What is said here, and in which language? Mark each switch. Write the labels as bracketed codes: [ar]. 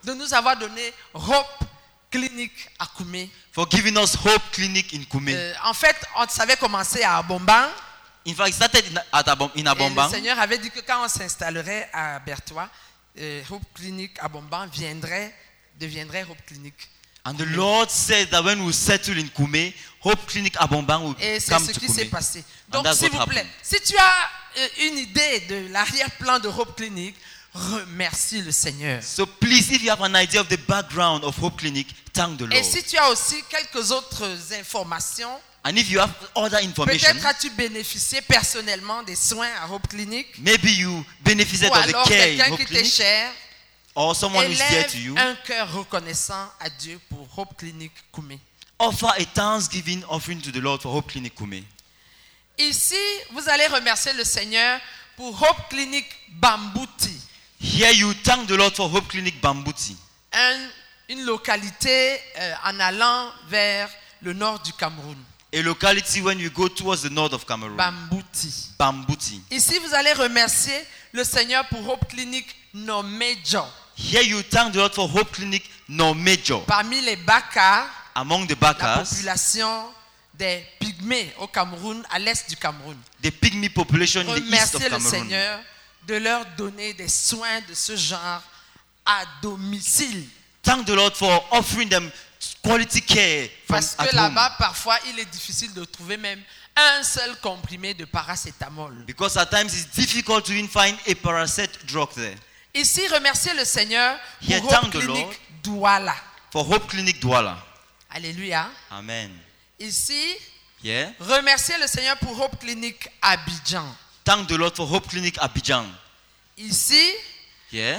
[fr] De nous avoir donné Hope Clinic à Koumé. [en] For giving us Hope Clinic in Koumé. [fr] En fait, on savait commencer à Abomban. [en] In fact, it started at in Abomban. [fr] Et le Seigneur avait dit que quand on s'installerait à Bertois, Hope Clinic à Abomban deviendrait Hope Clinic. [en] And the Lord said that when we settle in Koumé, Hope Clinic Abomban will come to Koumé. [fr] Et c'est ce qui s'est passé. Donc, s'il vous plaît, si tu as une idée de l'arrière-plan de Hope Clinic, remercie le Seigneur. [en] So please, if you have an idea of the background of Hope Clinic, thank the Lord. [fr] Et si tu as aussi quelques autres informations. [en] And if you have other information, [fr] peut-être as-tu bénéficié personnellement des soins à Hope Clinic? [en] Maybe you benefited of the care in Hope Clinic. Or someone élève is dear to you. [fr] Un cœur reconnaissant à Dieu pour Hope Clinic Koumé. [en] Offer a thanksgiving offering to the Lord for Hope Clinic Koumé. [fr] Ici, vous allez remercier le Seigneur pour Hope Clinic Bambouti. [en] Here you thank the Lord for Hope Clinic Bambouti. [fr] Une localité en allant vers le nord du Cameroun. [en] A locality when you go towards the north of Cameroon. [fr] Bambouti. [en] Bambouti. [fr] Ici, vous allez remercier le Seigneur pour Hope Clinic Nomejo. [en] Here you thank the Lord for Hope Clinic Nomejo. [fr] Parmi les Bakas, [en] among the Bakas, [fr] la population des pygmées au Cameroun, à l'est du Cameroun. [en] The pygmy population in the east of Cameroon. [fr] Remerciez le Seigneur de leur donner des soins de ce genre à domicile. [en] Thank the Lord for offering them quality care from at home. [fr] Parce que là-bas, parfois, il est difficile de trouver même un seul comprimé de paracétamol. [en] Because at times it's difficult to even find a paracet drug there. [fr] Ici, remercier le Seigneur pour Hope Clinic Douala. [en] For Hope Clinic Douala. Alléluia. Amen. [fr] Ici, [en] yeah. [fr] Remercier le Seigneur pour Hope Clinic Abidjan. [en] Thank the Lord for Hope Clinic Abidjan. [fr] Ici, [en] yeah.